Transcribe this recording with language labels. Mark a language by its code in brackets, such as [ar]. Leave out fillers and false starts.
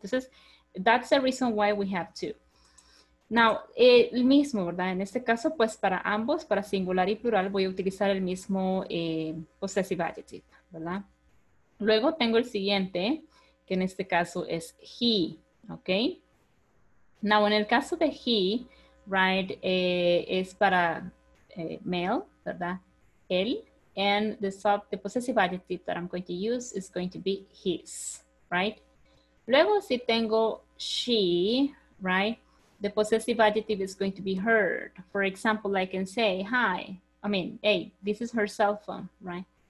[en] Entonces, that's the reason why we have to. [es] Now, el mismo, ¿verdad? En este caso, pues para ambos, para singular y plural, voy a utilizar el mismo possessive adjective, ¿verdad? Luego tengo el siguiente, que en este caso es he, ¿ok? Now, en el caso de he, right, es para male, ¿verdad? [en] Él, and the possessive adjective that I'm going to use is going to be his, right? Luego, si tengo she, right, the possessive adjective is going to be her. For example, I can say, hi, I mean, hey, this is her cell phone, right?